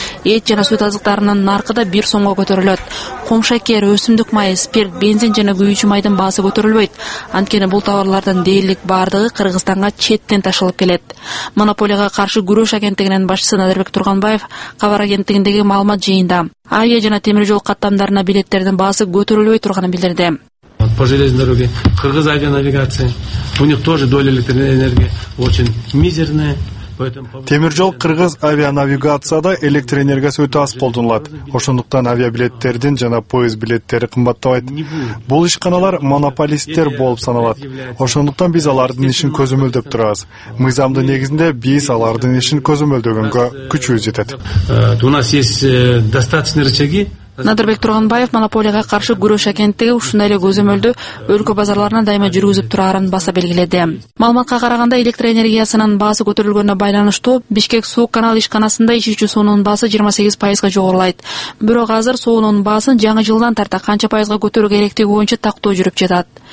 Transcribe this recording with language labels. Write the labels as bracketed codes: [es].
[ky] Эт жана сүт азыктарынын наркы да 1 сомго көтөрүлөт. Кумшакер, өсүмдүк майы, спирт, бензин жана күйүүчү майдын баасы көтөрүлбөйт. Анткени бул товарлардын дээрлик баардыгы Кыргызстанга четтен ташылып келет. Монополияга каршы күрөш агенттигинин башчысы Назарбек Турганбаев кабар агенттигиндеги маалымат жыйында авиа жана темир жол каттамдарына билеттердин баасы көтөрүлбөй турганын билдирди. [ru] По железной дороге, Кыргыз авианавигация, у них тоже доля электроэнергии очень мизерная. [ky] Темир жол кыргыз авианавигацияда электр энергиясы өтө аз колдонулат. Ошондуктан авиабилеттердин жана поезд билеттери кымбаттабайт. Бул ишканалар монополисттер болуп саналат. Ошондуктан биз алардын ишин көзөмөлдөп турабыз. Мыйзамдын негизинде биз алардын ишин көзөмөлдөгөнгө күчүбүз жетет. [ru] У нас есть достаточные рычаги. [ky] Назарбек Турганбаев монополияга каршы күрөш агенттиги ушундай эле көзөмөлдү өлкө базарларына дайыма жүргүзүп турарын баса белгиледи. Маалыматка караганда электр энергиясынын баасы көтөрүлгөнүнө байланыштуу Бишкек суу канал ишканасында ишчи суунун баасы 28% жогорулайт. Бирок азыр суунун баасын жаңы жылдан тарта канча пайызга көтөрүү керектиги боюнча тактоо жүрүп жатат.